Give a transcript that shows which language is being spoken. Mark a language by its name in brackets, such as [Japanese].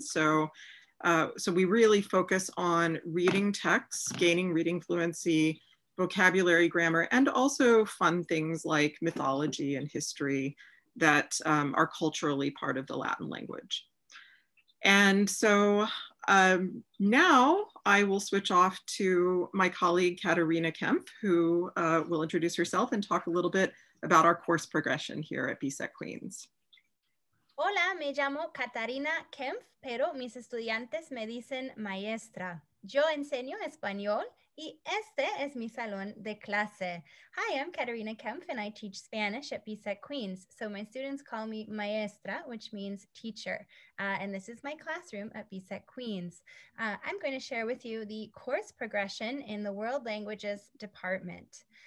[English] So we really focus on reading texts, gaining reading fluency, vocabulary, grammar, and also fun things like mythology and history that are culturally part of the Latin language. And so now I will switch off to my colleague, Katarina Kempf, who will introduce herself and talk a little bit about our course progression here at BSEC Queens. [Spanish] Hola, me llamo Katarina Kempf, pero mis estudiantes me dicen maestra. Yo enseño español y este es mi salón de clase. [English] Hi, I'm Katarina Kempf and I teach Spanish at BSEC Queens. So my students call me maestra, which means teacher. And this is my classroom at BSEC Queens. I'm going to share with you the course progression in the World Languages Department.